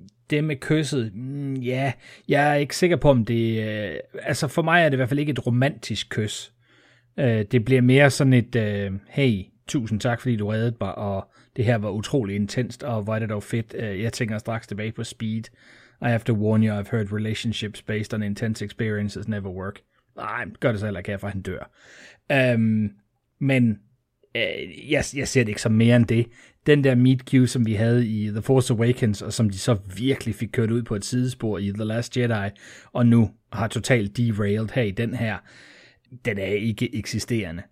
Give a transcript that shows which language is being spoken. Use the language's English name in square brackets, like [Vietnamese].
[Danish] Det med kysset, ja, jeg er ikke sikker på, om det... altså, for mig er det i hvert fald ikke et romantisk kys. Det bliver mere sådan et, hey, tusind tak, fordi du reddede mig, og det her var utrolig intenst, og hvor er det dog fedt. Jeg tænker straks tilbage på Speed. [English] I have to warn you, I've heard relationships based on intense experiences never work. [Danish] Nej, gør det så heller ikke her, for han dør. Men jeg ser det ikke som mere end det. Den der meet cue, som vi havde i The Force Awakens, og som de så virkelig fik kørt ud på et sidespor i The Last Jedi, og nu har totalt derailed her i den her, den er ikke eksisterende.